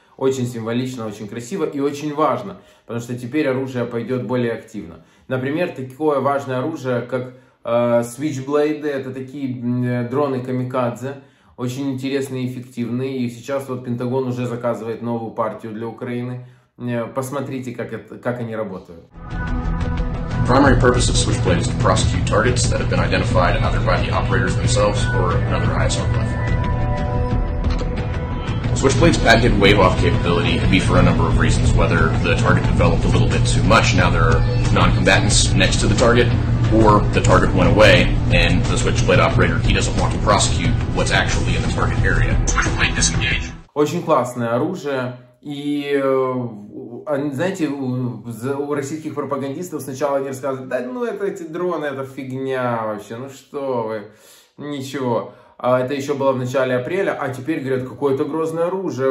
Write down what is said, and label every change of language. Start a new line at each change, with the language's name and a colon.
Russian: Очень символично, очень красиво и очень важно. Потому что теперь оружие пойдет более активно. Например, такое важное оружие, как Switchblade, это такие дроны-камикадзе, очень интересные и эффективные. И сейчас вот Пентагон уже заказывает новую партию для Украины. Посмотрите, как они работают.
English: Primary purpose of Switchblade is to prosecute targets that have been identified either by the operators themselves or another ISR platform. Switchblade's patented wave-off capability can be for a number of reasons, whether the target developed a little bit too much, now there are non-combatants next to the target, or the target went away, and the Switchblade operator, he doesn't want to prosecute what's actually in the target area. Switchblade disengage.
Russian: Очень классное оружие, и, знаете, у российских пропагандистов сначала они рассказывают, да ну это эти дроны, это фигня вообще, ну что вы, ничего. А это еще было в начале апреля, а теперь говорят, какое-то грозное оружие.